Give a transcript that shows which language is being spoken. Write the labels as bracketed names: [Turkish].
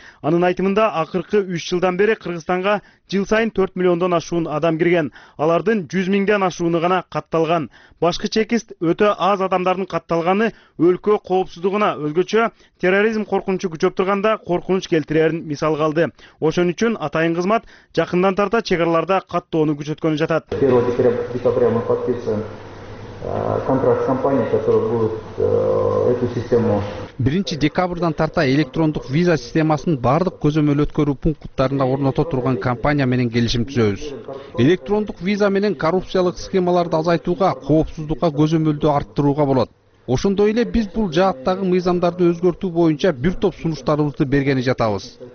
[Kyrgyz] Анын айтымында акыркы 3 жылдан бери Кыргызстанга жыл сайын 4 миллиондон ашуун адам кирген, алардын 100 миңден ашууну гана катталган. Башкы чекист өтө аз адамдардын катталганы өлкө өлкө коопсуздугуна өзгөчө терроризм коркунучу күчөп турганда коркунуч келтирерин мисал калды. Ошон үчүн атайын кызмат жакындан тарта чек араларда каттоону күчөткөнү жатат. [Russian] 1 декабря мы подписываем контракт с компанией, которая будет эту систему. [Kyrgyz] 1 декабрдан тарта электрондук виза системасын бардык көзөмөлөткөрүү пункттарында орното турган компания менен келишим түзөбүз. Электрондук виза менен коррупциялык схемаларды азайтууга, коопсуздукка көзөмөлдү арттырууга болот. Ошондой эле биз бул жааттагы мыйзамдарды өзгөртүү боюнча бир топ сунуштарыбызды бергени жатабыз.